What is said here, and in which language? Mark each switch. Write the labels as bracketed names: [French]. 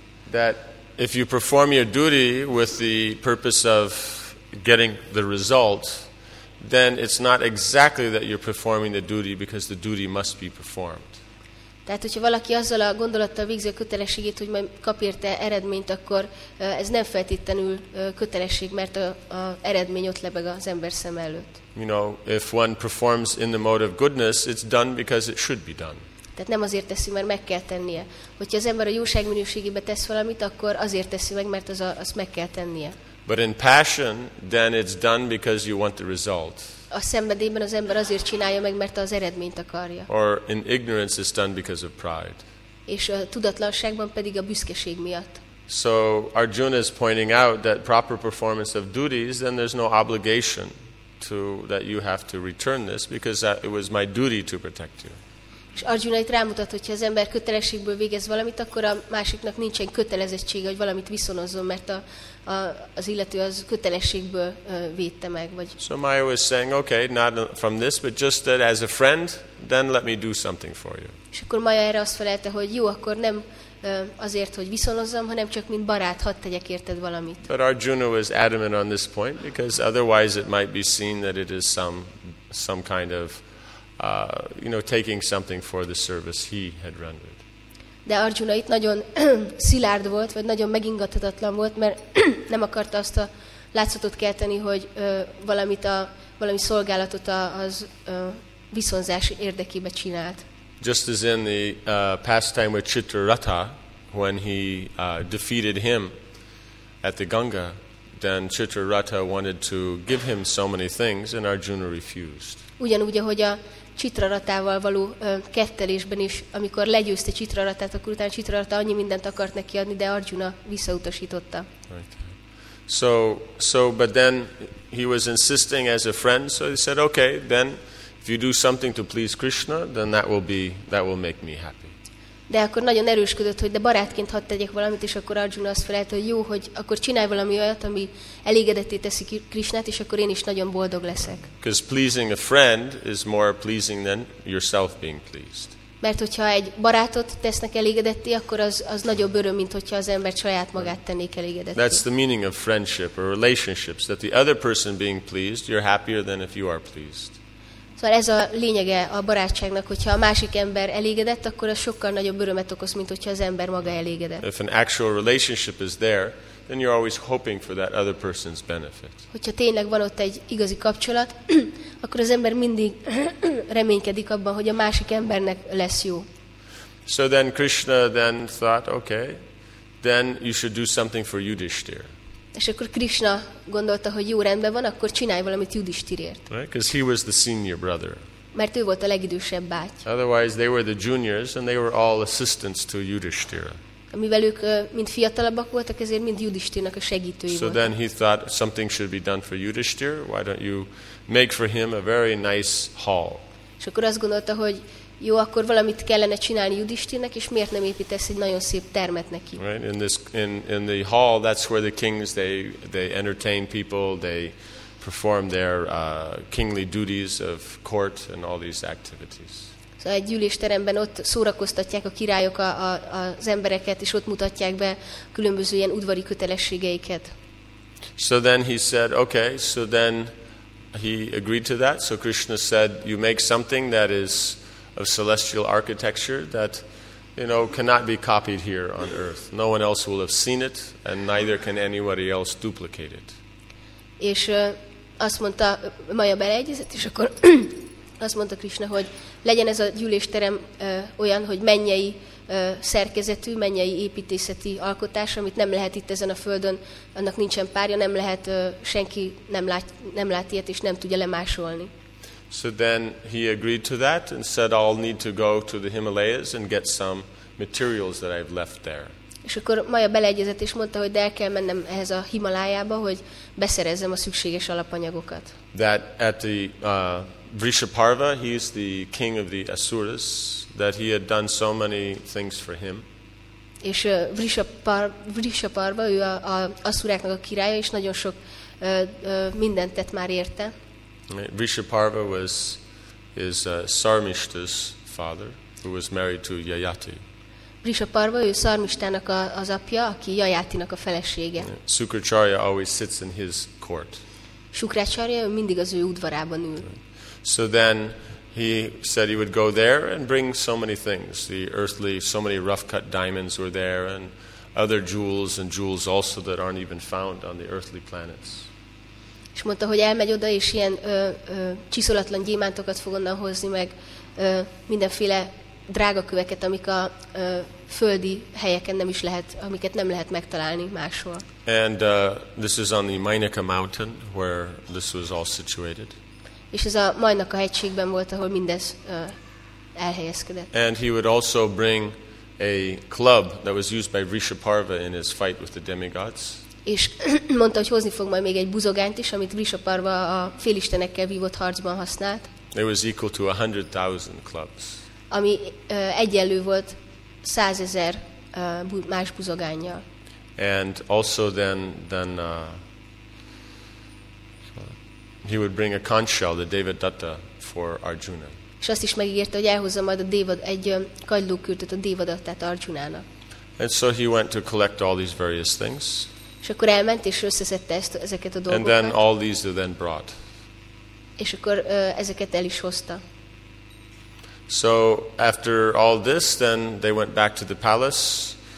[English] That if you perform your duty with the purpose of getting the result, then it's not exactly that you're performing the duty, because the duty must be performed. [Hungarian] Tehát, hogyha valaki azzal a gondolattal végzi a kötelességét, hogy majd kap érte eredményt, akkor ez nem feltétlenül kötelesség, mert a eredmény ott lebeg az ember szem előtt. [English] You know, if one performs in the mode of goodness, it's done because it should be done. [Hungarian] Tehát nem azért teszi, mert meg kell tennie. Hogyha az ember a jóság minőségébe tesz valamit, akkor azért teszi meg, mert azt meg kell tennie. [English] But in passion, then it's done because you want the result. [Hungarian] A szenvedélyben az ember azért csinálja meg, mert az eredményt akarja. [English] Or in ignorance, it's done because of pride. [Hungarian] És a tudatlanságban pedig a büszkeség miatt. [English] So Arjuna is pointing out that proper performance of duties, then there's no obligation to that you have to return this, because that, it was my duty to protect you. [Hungarian] És Arjuna itt rámutat, hogy ha az ember kötelességből végez valamit, akkor a másiknak nincsen kötelezettsége, hogy valamit viszonozzon, mert az illető az kötelességből védte meg, vagy. [English] So Maya was saying, okay, not from this, but just that as a friend, then let me do something for you. [Hungarian] És akkor Maya erre azt felelte, hogy jó, akkor nem azért, hogy viszonozzam, hanem csak mint barát, hadd tegyek érted valamit. [English] But Arjuna was adamant on this point, because otherwise it might be seen that it is some kind of taking something for the service he had rendered. [Hungarian] De Arjuna itt nagyon szilárd volt, vagy nagyon megingathatatlan volt, mert nem akarta azt a látszatot kelteni, hogy valami szolgálatot az viszonzás érdekébe csinált. [English] Just as in the pastime with Chitrarata, when he defeated him at the Ganga, then Chitrarata wanted to give him so many things, and Arjuna refused. [Hungarian] Ugyanúgy, ahogy a Csitraratával való kettelésben is, amikor legyőzte Csitraratát, akkor utána Csitrarata annyi mindent akart neki adni, de Arjuna visszautasította. [English] Right. So but then he was insisting as a friend, so he said, okay, then if you do something to please Krishna, then that will make me happy. [Hungarian] De akkor nagyon erősködött, hogy de barátként hadd tegyek valamit, és akkor Arjuna azt felelt, hogy jó, hogy akkor csinálj valami olyat, ami elégedetté teszi Krishnát, és akkor én is nagyon boldog leszek. [English] Because pleasing a friend is more pleasing than yourself being pleased. [Hungarian] Mert hogyha egy barátot tesznek elégedetté, akkor az nagyobb öröm, mint hogyha az ember saját magát tennék elégedetté. [English] That's the meaning of friendship or relationships, that the other person being pleased, you're happier than if you are pleased. [Hungarian] Szóval ez a lényege a barátságnak, hogyha a másik ember elégedett, akkor az sokkal nagyobb örömet okoz, mint hogyha az ember maga elégedett. [English] If an actual relationship is there, then you're always hoping for that other person's benefit. [Hungarian] Hogyha tényleg van ott egy igazi kapcsolat, akkor az ember mindig reménykedik abban, hogy a másik embernek lesz jó. [English] So then Krishna then thought, okay, then you should do something for Yudhishthir. [Hungarian] És akkor Krishna gondolta, hogy jó, rendben van, akkor csinálj valamit Yudhishthirért. [English] Right, because he was the senior brother. [Hungarian] Mert ő volt a legidősebb báty. [English] Otherwise they were the juniors, and they were all assistants to Yudhishthira. [Hungarian] Amivel ők mind fiatalabbak voltak, ezért mind Yudhishthirnak a segítői voltak. [English] So then he thought something should be done for Yudhishthir. Why don't you make for him a very nice hall? [Hungarian] És akkor azt gondolta, hogy jó, akkor valamit kellene csinálni Yudhishthirnek, és miért nem építesz egy nagyon szép termet neki? [English] Right, in the hall, that's where the kings, they entertain people, they perform their kingly duties of court and all these activities. [Hungarian] Szóval egy gyűlésteremben ott szórakoztatják a királyok az embereket, és ott mutatják be különböző ilyen udvari kötelességeiket. [English] So then he said, okay, so then he agreed to that. So Krishna said, you make something that is of celestial architecture that, cannot be copied here on earth. No one else will have seen it, and neither can anybody else duplicate it. [Hungarian] És azt mondta Maya beleegyezett, és akkor azt mondta Krishna, hogy legyen ez a gyűlésterem olyan, hogy mennyei szerkezetű, mennyei építészeti alkotás, amit nem lehet itt ezen a földön, annak nincsen párja, nem lehet, senki nem lát ilyet, és nem tudja lemásolni. [English] So then he agreed to that and said, I'll need to go to the Himalayas and get some materials that I've left there. [Hungarian] És akkor Maja beleegyezett és mondta, hogy de el kell mennem ehhez a Himalájába, hogy beszerezzem a szükséges alapanyagokat. [English] That at the Vrishaparva, he is the king of the Asuras, that he had done so many things for him. [Hungarian] És Vrishaparva, ő a Asuráknak a királya, és nagyon sok mindent tett már érte. [English] Vrishaparva was his Sarmishta's father, who was married to Yayati. [Hungarian] Vrishaparva, ő Sarmistának az apja, aki Yayatinak a felesége. [English] Sukracharya always sits in his court. [Hungarian] Sukracharya mindig az ő udvarában ül. [English] So then he said he would go there and bring so many things. The earthly, so many rough-cut diamonds were there and other jewels and jewels also that aren't even found on the earthly planets. [Hungarian] És mondta, hogy elmegy oda, és ilyen csiszolatlan gyémántokat fog onnan hozni, meg mindenféle drágaköveket, amik a földi helyeken nem is lehet, amiket nem lehet megtalálni máshol. [English] And this is on the Mainaka Mountain, where this was all situated. [Hungarian] És ez a Mainaka hegységben volt, ahol mindez elhelyezkedett. [English] And he would also bring a club that was used by Vrishaparva in his fight with the demigods. [Hungarian] És mondta, hogy hozni fog majd még egy buzogányt is, amit Vrishaparva a félistenekkel vívott harcban használt. [English] It was equal to 100,000 clubs. [Hungarian] Ami egyenlő volt 100,000 más buzogánnyal. [English] And also then he would bring a conch shell, the Devadatta, for Arjuna. [Hungarian] És azt is megígérte, hogy elhozza majd egy kagylókürtöt a Devadattát Arjunának. [English] And so he went to collect all these various things. [Hungarian] És akkor elment és összeszedte ezeket a dolgokat. [English] And then all these are then brought. [Hungarian] És akkor ezeket el is hozta. [English] So after all this, then they went back to the palace.